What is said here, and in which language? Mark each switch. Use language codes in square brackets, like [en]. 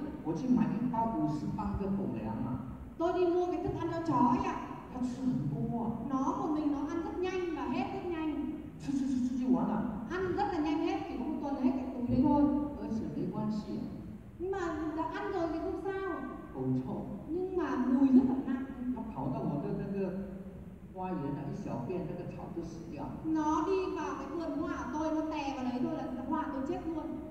[zh] 我去买一包五十磅的狗粮啊, [vi] tôi đi mua cái thức ăn cho chó ấy ạ. [zh] 它吃很多啊, [vi] nó một mình nó ăn rất nhanh và hết rất nhanh. [zh] 吃就完了, [vi] ăn rất là nhanh hết, chỉ có một tuần hết cái túi đấy thôi. [zh] 而且没关系, [vi] nhưng mà đã ăn rồi thì không sao. [zh] 狗臭, [vi] nhưng mà mùi rất là nặng. [zh] 它跑到我的那个花园的一小片那个草就死掉, [vi] nó đi vào cái vườn hoa của tôi, nó tè vào đấy thôi là hoa tôi chết luôn.